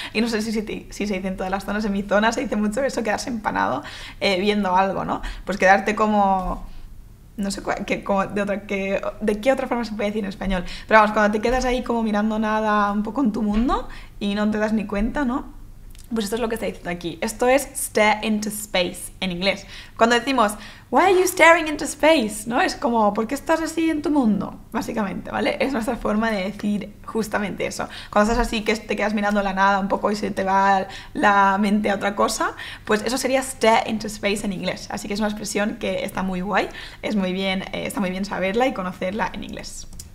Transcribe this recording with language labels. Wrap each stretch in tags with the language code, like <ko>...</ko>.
<es>Y no sé si se dice en todas las zonas, en mi zona se dice mucho eso, quedarse empanado viendo algo, ¿no? Pues quedarte como... No sé de qué otra forma se puede decir en español. Pero vamos, cuando te quedas ahí como mirando nada un poco en tu mundo y no te das ni cuenta, ¿no? Pues esto es lo que está diciendo aquí. Esto es stare into space en inglés. Cuando decimos,</es> <en>why are you staring into space?</en> <es>¿No? Es como, ¿por qué estás así en tu mundo? Básicamente, ¿vale? Es nuestra forma de decir justamente eso. Cuando estás así, que te quedas mirando la nada un poco y se te va la mente a otra cosa, pues eso sería stare into space en inglés. Así que es una expresión que está muy guay. Es muy bien, está muy bien saberla y conocerla en inglés.</es>